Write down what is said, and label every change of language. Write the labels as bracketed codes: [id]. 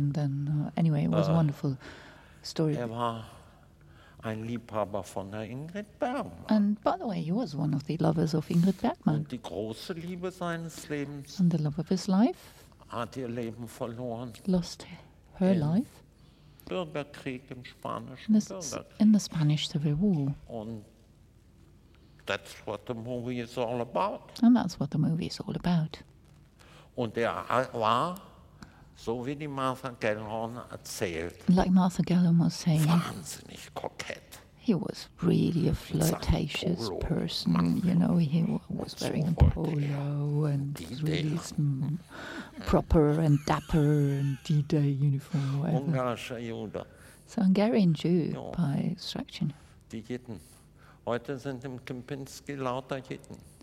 [en] And then, anyway, it was a wonderful story. [de] Ein Liebhaber von der Ingrid Bergman. [en] And by the way, he was one of the lovers of Ingrid Bergman. [de] Und die große Liebe seines Lebens. [en] And the love of his life. [de] Hat ihr Leben verloren. [en] Lost her life. [de] Bürgerkrieg im Spanischen Bürgerkrieg. [en] In the Spanish Civil War. Und that's what the movie is all about. And that's what the movie is all about. [de] Und er war, so wie die Martha Gellhorn erzählt, [en] like Martha Gellhorn was saying, [de] wahnsinnig kokett. [en] He was really a flirtatious person, you know, he was wearing a polo and really proper and dapper and D-Day uniform, whatever. So Hungarian Jew by extraction. [de] Die Jitten. Heute sind im Kempinski lauter Jitten.